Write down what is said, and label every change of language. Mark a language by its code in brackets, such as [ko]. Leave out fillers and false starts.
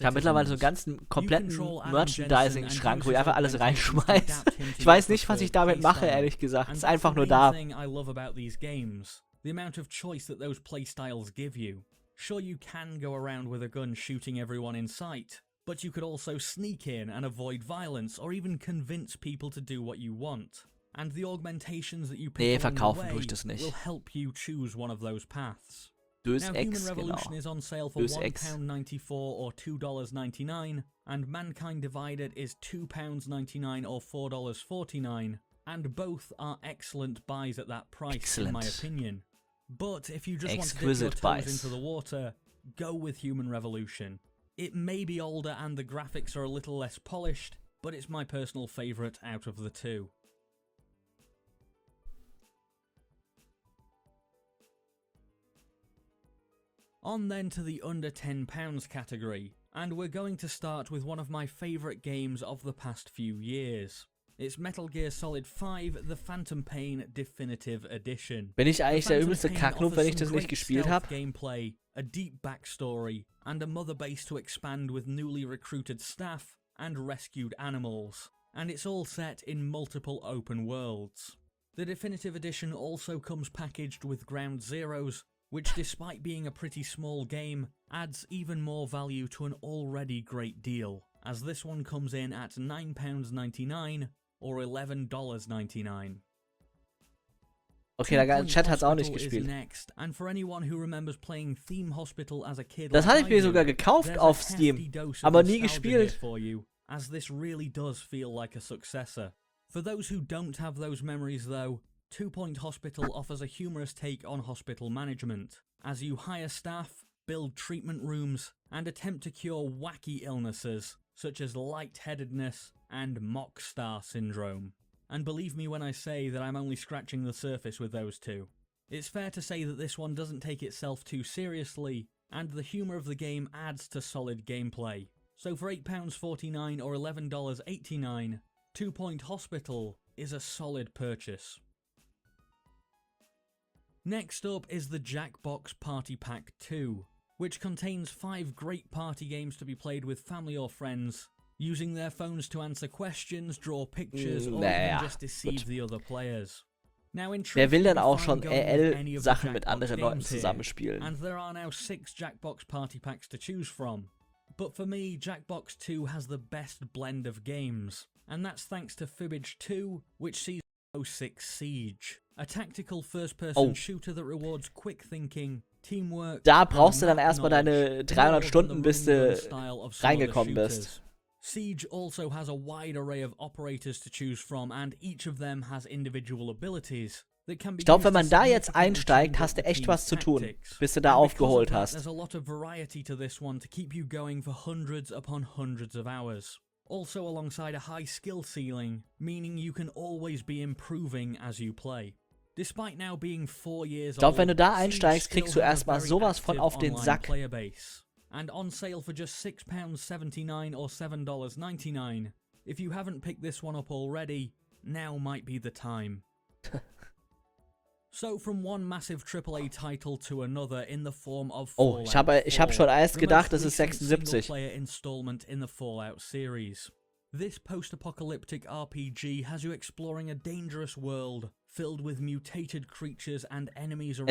[de] Ich habe mittlerweile so einen ganzen kompletten Merchandising-Schrank, wo ich einfach alles reinschmeiße. Ich weiß nicht, was ich damit mache, ehrlich gesagt. Es ist einfach nur da. [en] The amount of choice that those playstyles give you. Sure, you can go around with a gun shooting everyone in sight, but you could also sneak in and avoid violence, or even convince people to do what you want. And the augmentations that you pick on the way will help you choose one of those paths. Now, Human Revolution is on sale for £1.94 or $2.99, and Mankind Divided is £2.99 or $4.49, and both are excellent buys at that price, in my opinion. But if you just want to dip your toes into the water, go with Human Revolution. It may be older and the graphics are a little less polished, but it's my personal favourite out of the two. On then to the under £10 category, and we're going to start with one of my favourite games of the past few years. It's Metal Gear Solid 5: The Phantom Pain Definitive Edition. [de] Bin ich eigentlich der übelste Kacknub, wenn ich das nicht gespielt habe? [en] Gameplay, a deep backstory, and a mother base to expand with newly recruited staff and rescued animals. And it's all set in multiple open worlds. The Definitive Edition also comes packaged with Ground Zeroes, which, despite being a pretty small game, adds even more value to an already great deal, as this one comes in at £9.99 or $11.99. [de] Okay, der Chat hat's auch nicht gespielt. [en] Next, and for anyone who remembers playing Theme Hospital as a kid, [de] das hatte ich mir sogar gekauft auf Steam, aber nie gespielt. [en] For you, as this really does feel like a successor. For those who don't have those memories, though, Two Point Hospital offers a humorous take on hospital management, as you hire staff, build treatment rooms, and attempt to cure wacky illnesses, such as lightheadedness and mock star syndrome. And believe me when I say that I'm only scratching the surface with those two. It's fair to say that this one doesn't take itself too seriously, and the humor of the game adds to solid gameplay. So for £8.49 or $11.89, Two Point Hospital is a solid purchase. Next up is the Jackbox Party Pack 2, which contains 5 great party games to be played with family or friends, using their phones to answer questions, draw pictures, or even just deceive the other players. Now, in truth, [de] wer will denn auch schon AL-Sachen mit anderen Leuten zusammenspielen? [en] And there are now 6 Jackbox Party Packs to choose from. But for me, Jackbox 2 has the best blend of games, and that's thanks to Fibbage 2, which sees 06 Siege. A tactical first-person shooter that rewards quick thinking, teamwork. [de] Da brauchst du dann erstmal deine 300 Stunden, bis du reingekommen bist. [en] Siege also has a wide array of operators to choose from, and each of them has individual abilities that can be. [de] Ich glaube, wenn man da jetzt einsteigt, hast du echt was zu tun, bis du da aufgeholt hast. [en] There's a lot of variety to this one to keep you going for hundreds upon hundreds of hours. Also alongside a high skill ceiling, meaning you can always be improving as you play. Despite now being 4 years old, [de] wenn du da einsteigst, kriegst du erstmal sowas von auf den Sack. [en] And on sale for just £6.79 or $7.99, if you haven't picked this one up already, now might be the time. So from one massive AAA title to another in the form of Fallout. [de] Oh, ich hab schon erst gedacht, das ist 76. [en] Single-player installment in the Fallout series. This post-apocalyptic RPG has you exploring a dangerous world filled with mutated creatures and enemies around.